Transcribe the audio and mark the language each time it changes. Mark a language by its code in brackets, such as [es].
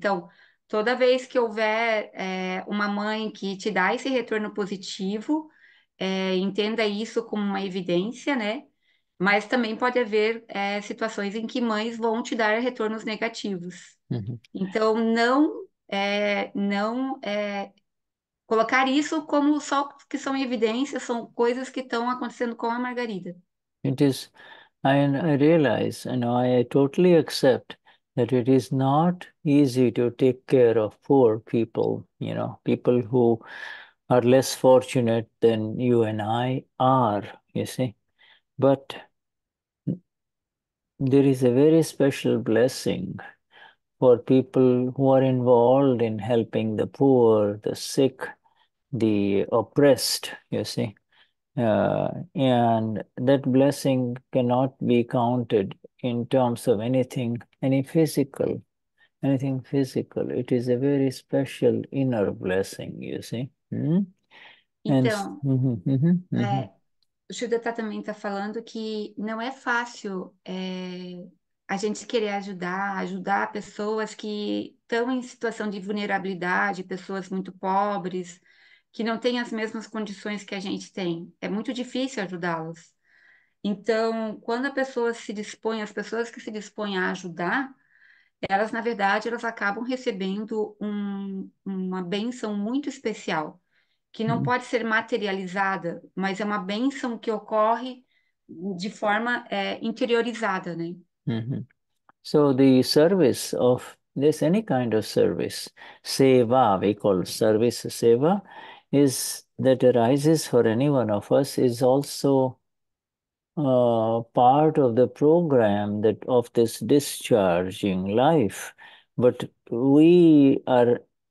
[pt] Então, toda vez que houver uma mãe que te dá esse retorno positivo, entenda isso como uma evidência, né? Mas também pode haver situações em que mães vão te dar retornos negativos. Então, não colocar isso como só que são evidências, são coisas que estão acontecendo com a Margarida. [en] It is, I realize, I totally accept that it is not easy to take care of poor people, people who are less fortunate than you and I are, you see. But there is a very special blessing for people who are involved in helping the poor, the sick, the oppressed, you see. And that blessing cannot be counted in terms of anything physical. It is a very special inner blessing, you see. [pt] Então, o Shuda também está falando que não é fácil a gente querer ajudar pessoas que estão em situação de vulnerabilidade, pessoas muito pobres, que não têm as mesmas condições que a gente tem. É muito difícil ajudá-los. Então, quando a pessoa se dispõe, as pessoas que se dispõem a ajudar, elas, na verdade, elas acabam recebendo uma bênção muito especial, que não pode ser materializada, mas é uma bênção que ocorre de forma interiorizada, né? [en] So the service of this, any kind of service, seva, we call service seva, is that arises for any one of us is also part of the program that of this discharging life, but we are